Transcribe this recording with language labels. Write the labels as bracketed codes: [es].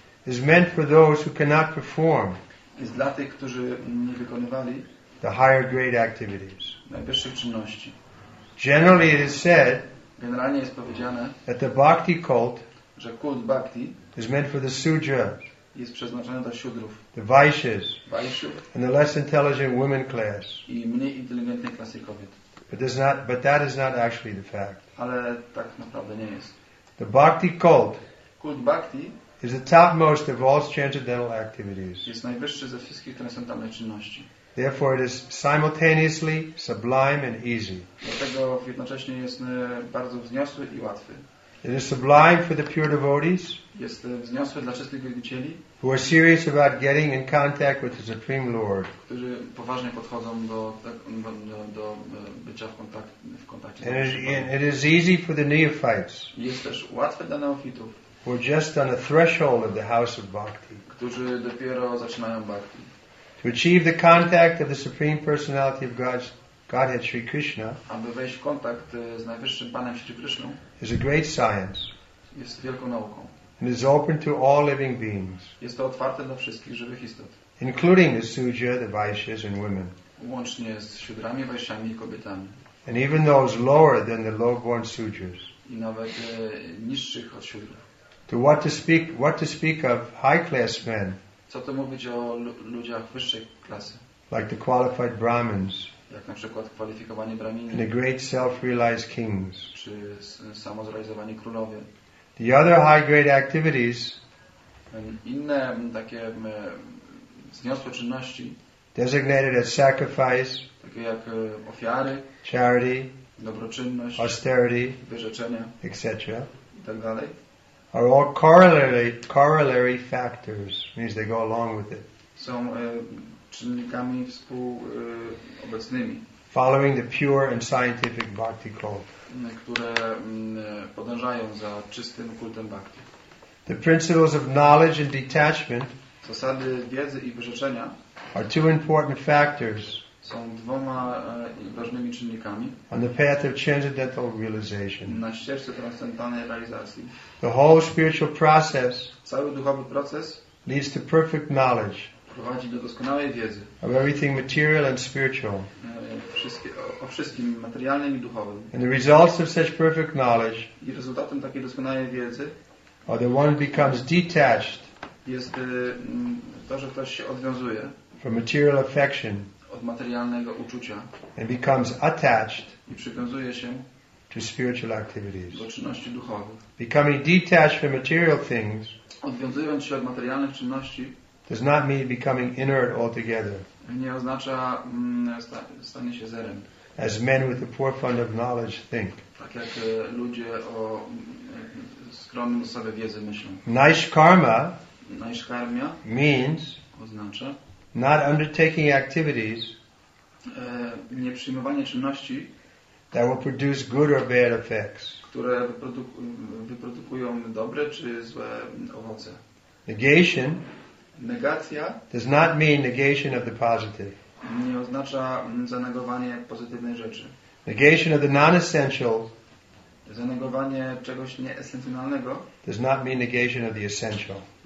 [en] is meant for those who cannot perform [pl] jest dla tych, którzy nie wykonywali [en] the higher grade activities. [pl] Najwyższych czynności. [en] Generally it is said, [pl] generalnie jest powiedziane, [en] that the bhakti cult, [pl] że kult bhakti, [en] is meant for the sudra, [pl] jest przeznaczony dla śudrów, [en] the vaishyas, [pl] vaishyów, [en] and the less intelligent women class, [pl] i mniej inteligentnej klasy kobiet. [en] But that is not actually the fact. [pl] Ale tak naprawdę nie jest. [en] The bhakti cult. [pl] Kult bhakti. [en] Is the topmost of all transcendental activities. [pl] Jest najwyższy ze wszystkich transcendentalnych czynności. [en] Therefore, it is simultaneously sublime and easy. [pl] Dlatego jednocześnie jest bardzo wzniosły i łatwy. [en] It is sublime for the pure devotees. [pl] Jest wzniosły dla czystych wielbicieli. [en] Who are serious about getting in contact with the Supreme Lord. [pl] Którzy poważnie podchodzą do bycia w kontakcie. [en] It is easy for the neophytes. [pl] Jest też łatwe dla neofitów. [en] Who are just on the threshold of the house of bhakti. [pl] Którzy dopiero zaczynają bhakti. [en] To achieve the contact of the Supreme Personality of Godhead Sri Krishna, [pl] aby wejść w kontakt z najwyższym Panem Sri Krishną, [en] is a great science. [pl] Jest wielką nauką. [en] And is open to all living beings. [pl] Jest to otwarte dla wszystkich żywych istot. [en] Including the Sudja, the Vaishyas and women. [pl] Łącznie z Śudrami, Vaishyami i kobietami. [en] And even those lower than the low-born Sudjas. [pl] I nawet niższych od Śudr. [en] What to speak of high-class men. [pl] Co to mówić o ludziach wyższej klasy? [en] Like the qualified Brahmins. [pl] Jak na przykład kwalifikowani Brahmini. [en] The great self-realized kings. [pl] Czy samozrealizowani królowie. [en] The other high-grade activities. [pl] Inne takie wzniosłe czynności. [en] Designated as sacrifice. [pl] Takie jak ofiary. [en] Charity. [pl] Dobroczynność. [en] Austerity. [pl] Wyrzeczenia. [en] Etc. [pl] I tak dalej. [en] Are all corollary factors, means they go along with it. [pl] Są czynnikami współobecnymi. [en] Following the pure and scientific bhakti cult. [pl] Które podążają za czystym kultem bhakti. [en] The principles of knowledge and detachment. [pl] Zasady wiedzy i wyrzeczenia. [en] Are two important factors. [pl] Są dwoma ważnymi czynnikami. [en] On the path of transcendental realization. [pl] Na ścieżce transcendentalnej realizacji. [en] The whole spiritual process. [pl] Cały duchowy proces. [en] Leads to perfect knowledge. [pl] Prowadzi do doskonałej wiedzy. [en] Of everything material and spiritual. [pl] O wszystkim materialnym i duchowym. [en] And the results of such perfect knowledge. [pl] I rezultatem takiej doskonałej wiedzy. [en] Are that one becomes detached. [pl] Jest to, że ktoś się odwiązuje. [en] From material affection. [pl] Od materialnego uczucia. [en] And becomes attached. [pl] I przywiązuje się. [en] To spiritual activities. [pl] Do czynności duchowych. [en] Becoming detached from material things. [pl] Odwiązując się od materialnych czynności. [en] Does not mean becoming inert altogether. [pl] Nie oznacza stanie się zerem. [en] As men with a poor fund of knowledge think. [pl] Tak jak ludzie o skromnym zasobie wiedzy myślą. [en] Naiskarma means. [pl] Oznacza. [en] Not undertaking activities [pl] nie przyjmowanie czynności [en] that will produce good or bad effects. [pl] Które wyprodukują dobre czy złe owoce. [en] Negation [pl] negacja [en] does not mean negation of the positive. [pl] Nie oznacza zanegowanie pozytywnej rzeczy. [en] Negation of the non-essential [pl] zanegowanie czegoś nieesencjonalnego [en] does not mean negation of the essential.